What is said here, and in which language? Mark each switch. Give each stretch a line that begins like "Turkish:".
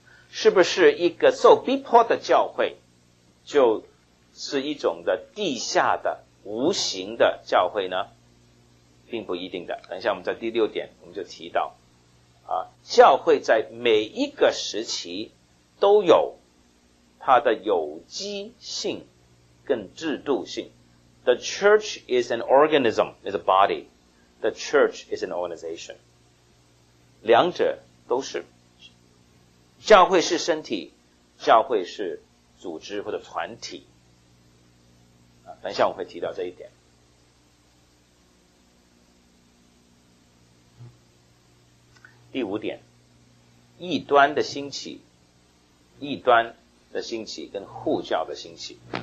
Chinese: 是不是一个受逼迫的教会就是一种的地下的无形的教会呢？并不一定的。等一下我们在第6点我们就提到啊，教会在每一个时期都有它的有机性跟制度性。
English: The church is an organism, is a bodyThe church is an organization.
Chinese: 两者都是教会是身体，教会是组织或者团体。等一下我会提到这一点。第五点，异端的兴起，异端的兴起跟护教的兴起。